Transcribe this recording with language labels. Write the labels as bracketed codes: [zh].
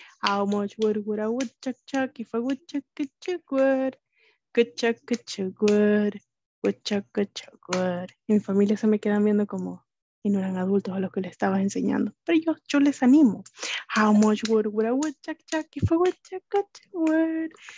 [en] How much would a woodchuck chuck if a woodchuck could chuck wood? Could chuck, could chuck wood. Woodchuck, could chuck wood. [es] Y mi familia se me quedan viendo como, y no eran adultos a los que les estaba enseñando. Pero yo les animo. [en] How much would a woodchuck chuck if a woodchuck could chuck wood?